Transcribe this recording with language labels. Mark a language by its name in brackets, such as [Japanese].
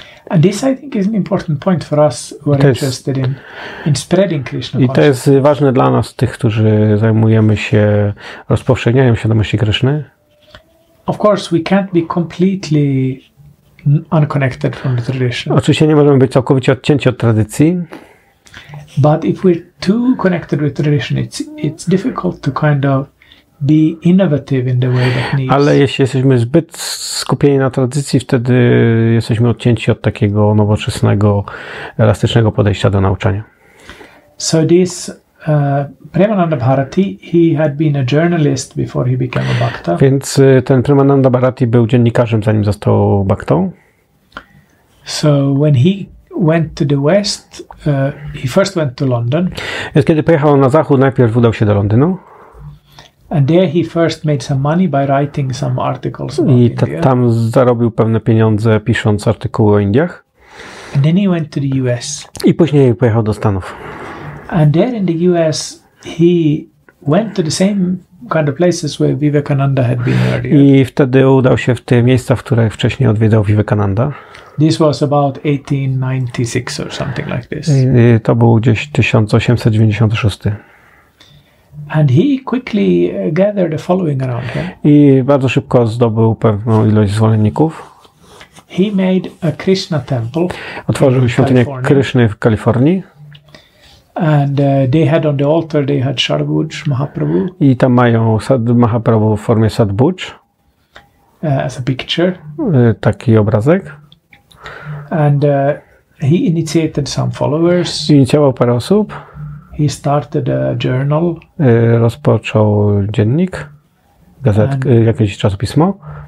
[English] And this, I think, is an important point for us who are interested in spreading Krishna consciousness. [Polish] I to jest ważne dla nas, tych, którzy zajmujemy się rozpowszechnianiem świadomości Kryszny. [English] Of course, we can't be completely unconnected from the tradition. [Polish] Oczywiście nie możemy być całkowicie odcięci od tradycji. [English] But if we're too connected with tradition, it's difficult to kind of be innovative in the way that needs. [Polish] Ale jeśli jesteśmy zbyt skupieni na tradycji, wtedy jesteśmy odcięci od takiego nowoczesnego, elastycznego podejścia do nauczania. [English] So this Premananda Bharati, he had been a journalist before he became a bhakta. [Polish] Więc ten Premananda Bharati był dziennikarzem, zanim został bhaktą. [English] So when he went to the West, he first went to London. [Polish] Więc kiedy pojechał na zachód, najpierw udał się do Londynu. [English] And there he first made some money by writing some articles about India. [Polish] I tam zarobił pewne pieniądze, pisząc artykuły o Indiach. [English] And then he went to the US. [Polish] I później pojechał do Stanów. [English] And there in the US he went to the same kind of places where Vivekananda had been earlier. [Polish] I wtedy udał się w te miejsca, w które wcześniej odwiedzał Vivekananda. [English] This was about 1896 or something like this. [Polish] I to był gdzieś 1896. [English] And he quickly gathered a following around him. [Polish] I bardzo szybko zdobył pewną ilość zwolenników. [English] He made a Krishna temple. [Polish] Otworzył świątynię Kryszny w Kalifornii. [English] And they had on the altar they had Sadbhuj Mahaprabhu. [Polish] I tam mają Mahaprabhu w formie Sadbhuj. [English] As a picture. [Polish] Taki obrazek. [English] And he initiated some followers. [Polish] Inicjował parę osób. [English] He started a journal. [Polish] Rozpoczął dziennik, gazetkę, jakieś czasopismo.